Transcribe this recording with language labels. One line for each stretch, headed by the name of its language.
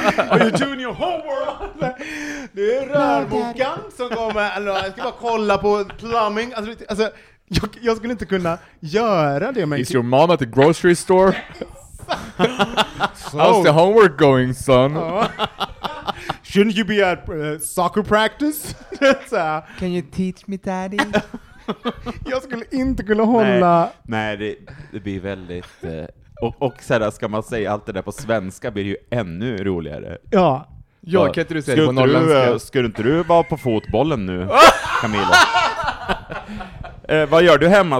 English: Are you doing your homework?
Swedish: Det är rörboken som kommer. Alltså, jag ska bara kolla på plumbing. Alltså, jag skulle inte kunna göra det.
English: Is your mom at the grocery store? So. How's the homework going, son? Shouldn't you be at soccer practice? Can you teach me, daddy?
Swedish: Jag skulle inte kunna hålla... Nej, det blir väldigt... Och så här, ska man säga allt det där på svenska blir ju ännu roligare. Ja, jag kan inte du säga det på norrländska. Skulle inte du vara på fotbollen nu, Camilla? Vad gör du hemma?